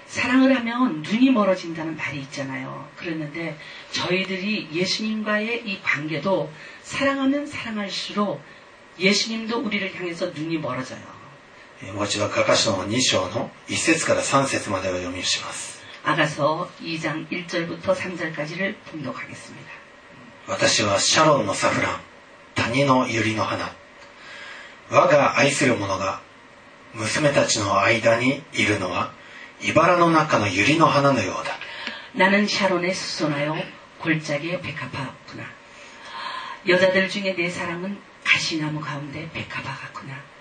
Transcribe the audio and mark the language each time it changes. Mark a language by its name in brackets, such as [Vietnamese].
[Korean] 사랑을하면눈이멀어진다는말이있잖아요그랬는데저희들이예수님과의이관계도사랑하면사랑할수록예수님도우리를향해서눈이멀어져요 [Japanese] もう一度ガカ書の2章の1節から3節までを読みします。 [Korean] 아가서2장1절부터3절까지를봉독하겠습니다 [Japanese] 私はシャロンのサフラン谷のユリの花我が愛する者が娘たちの間にいるのは茨の中のユリの花のようだ [Korean] 나는샤론의수소나요골짜기의백합화같구나여자들중에내사랑은가시나무가운데백합화같구나